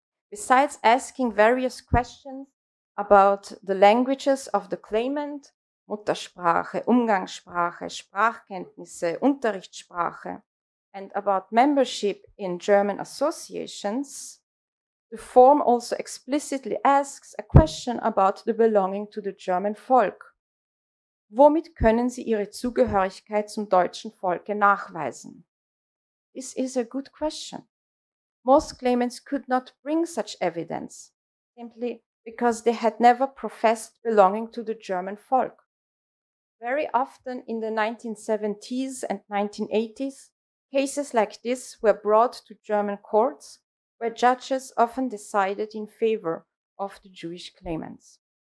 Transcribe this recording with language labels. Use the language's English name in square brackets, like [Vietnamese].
[English] Besides asking various questions about the languages of the claimant, Muttersprache, Umgangssprache, Sprachkenntnisse, Unterrichtssprache, and about membership in German associations, the form also explicitly asks a question about the belonging to the German folk. [German] Womit können Sie Ihre Zugehörigkeit zum deutschen Volke nachweisen? [English] This is a good question. Most claimants could not bring such evidence, simply because they had never professed belonging to the German folk. Very often in the 1970s and 1980s, cases like this were brought to German courts, where judges often decided in favor of the Jewish claimants.